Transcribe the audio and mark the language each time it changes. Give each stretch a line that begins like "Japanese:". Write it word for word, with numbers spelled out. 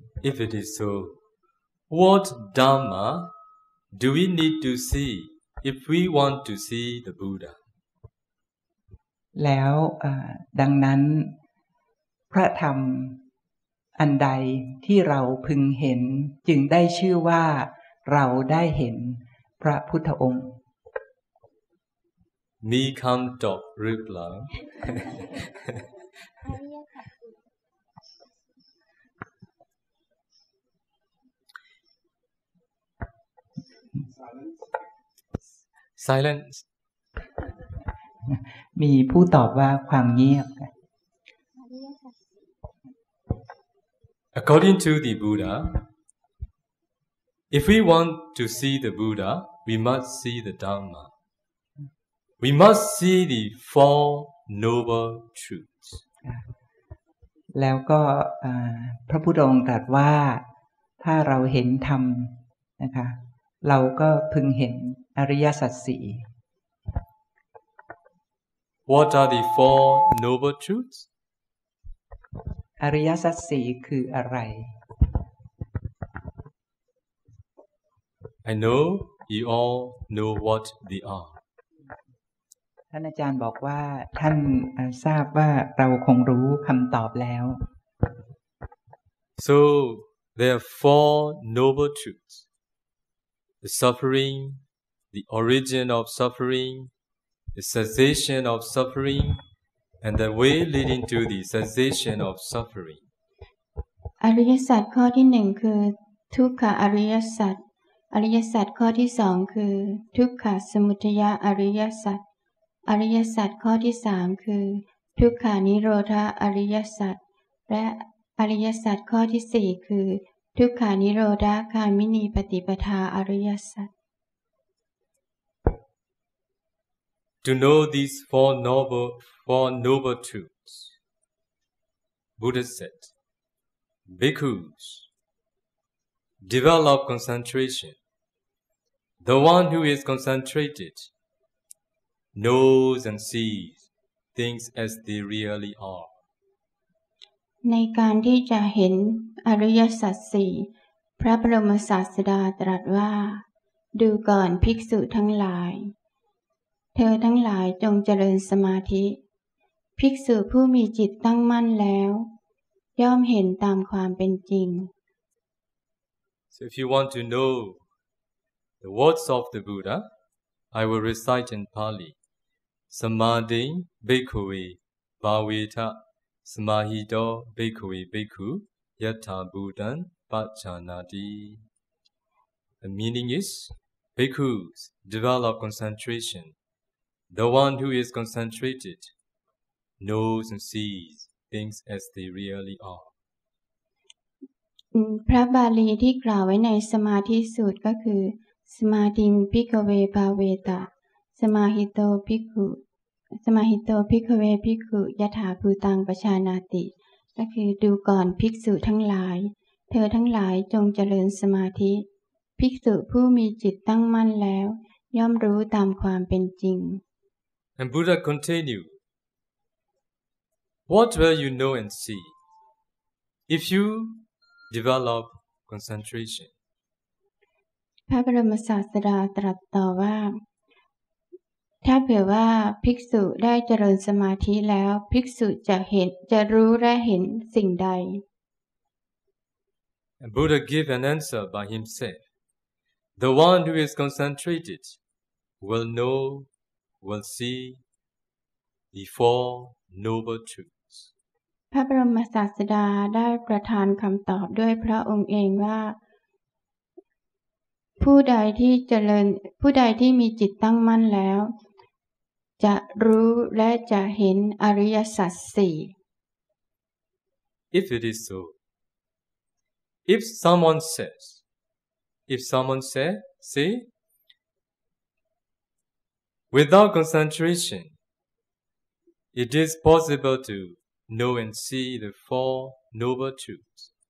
English: If it is so, what Dhamma do we need to see if we want to see the Buddha?
Thai: แล้วดังนั้นพระธรรมอันใดที่เราพึงเห็นจึงได้ชื่อว่าเราได้เห็นพระพุทธองค์ มีคำตอบหรือเปล่า
English: Silence
Thai: มีผู้ตอบว่าความเงียบ
English: According to the Buddha, if we want to see the Buddha, we must see the Dhamma. We must see the Four Noble Truths.
Thai: แล้วก็พระพุทธองค์ตรัสว่าถ้าเราเห็นธรรมนะคะเราก็พึงเห็นอริยสัจสี่
English: What are the Four Noble Truths?
Thai: อริยสัจสี่คืออะไร
English: I know you all know what they are
Thai: ท่านอาจารย์บอกว่าท่านทราบว่าเราคงรู้คำตอบแล้ว
English: So there are four noble truths: the suffering, the origin of suffering, the cessation of suffering. And the way leading to the cessation of suffering.
Thai: อริยสัจข้อที่หนึ่งคือทุกขอริยสัจอริยสัจข้อที่สองคือทุกขสมุทัยอริยสัจอริยสัจข้อที่สามคือทุกขานิโรธอริยสัจและอริยสัจข้อที่สี่คือทุกขานิโรธคามินีปฏิปทาอริยสัจ
English: To know these four noble, four noble truths, Buddha said, Bhikkhus, develop concentration. The one who is concentrated knows and sees things as they really are.
Thai: ในการที่จะเห็นอริยสัจสี่พระบรมศาสดาตรัสว่าดูก่อนภิกษุทั้งหลายเธอทั้งหลายจงเจริญสมาธิภิกษุผู้มีจิตตั้งมั่นแล้วย่อมเห็นตามความเป็นจริง
English: So if you want to know the words of the Buddha, I will recite in Pali.
Pali: Samadhi bhikkhave bhaveta samahito bhikkhave bhikkhu yatha buddhan paccanati.
English: The meaning is Bhikkhus, develop concentration. The one who is concentrated knows and sees things as they really are.
Thai: พระบาลีที่กล่าวไว้ในสมาธิสูตรก็คือสมาธิงภิกขเวภาเวตะสมาหิโตภิกขุสมาหิโตภิกขเวภิกขุยถาภูตังปชานาติก็คือดูก่อนภิกษุทั้งหลายเธอทั้งหลายจงเจริญสมาธิภิกษุผู้มีจิตตั้งมั่นแล้วย่อมรู้ตามความเป็นจริง
English: And Buddha continued, What will you know and see if you develop concentration?
Thai: พระบรมศาสดาตรัสต่อว่าถ้าเผื่อว่าภิกษุได้เจริญสมาธิแล้วภิกษุจะเห็นจะรู้และเห็นสิ่งใด
English: And Buddha gave an answer by himself. The one who is concentrated will know, will see the Four Noble Truths.
Thai: พระบรมศาสดาได้ประทานคำตอบด้วยพระองค์เองว่าผ ผู้ใดที่เจริญผู้ใดที่มีจิตตั้งมั่นแล้วจะรู้และจะเห็นอริยสัจสี่
English: If it is so, if someone says, if someone says, see, without concentration, it is possible to know and see the Four Noble Truths.